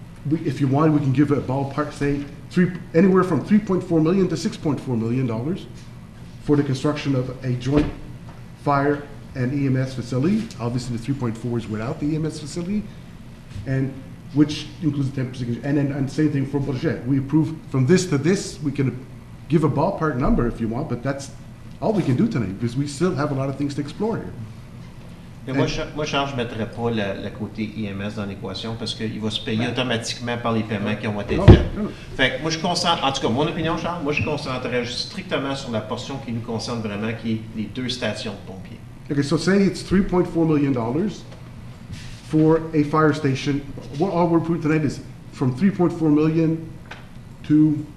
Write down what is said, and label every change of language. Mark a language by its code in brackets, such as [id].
[en] If you want, we can give a ballpark, say, anywhere from $3.4 million to $6.4 million for the construction of a joint fire and EMS facility. Obviously, the 3.4 is without the EMS facility, and which includes the 10%. And same thing for Bourget. We approve from this to this. We can give a ballpark number if you want, but that's all we can do tonight because we still have a lot of things to explore here. [fr] Mais moi, Charles, je ne mettrais pas le côté IMS dans l'équation parce qu'il va se payer automatiquement par les paiements qui ont été faits. Fait que moi, je concentre, en tout cas, mon opinion, Charles, moi, je concentrerais strictement sur la portion qui nous concerne vraiment, qui est les deux stations de pompiers. [en] OK, so say it's $3.4 million for a fire station. What all we're putting tonight is from $3.4 million to...